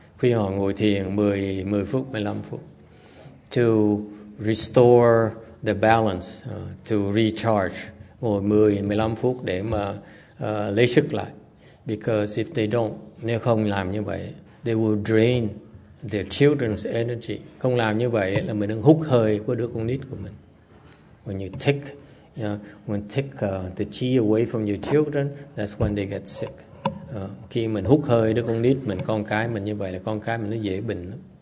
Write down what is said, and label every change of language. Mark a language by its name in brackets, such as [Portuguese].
[Vietnamese] Khuyên họ ngồi thiền 10 phút 15 phút. [English] To restore the balance, to recharge. [Vietnamese] Ngồi 10-15 phút để mà lấy sức lại. [English] Because if they don't, [Vietnamese] nếu không làm như vậy, [English] they will drain their children's energy. [Vietnamese] Không làm như vậy là mình đang hút hơi của đứa con nít của mình. [English] When you take, you know, when take the chi away from your children, that's when they get sick. [Vietnamese] Khi mình hút hơi đứa con nít mình, con cái mình như vậy là con cái mình nó dễ bệnh lắm.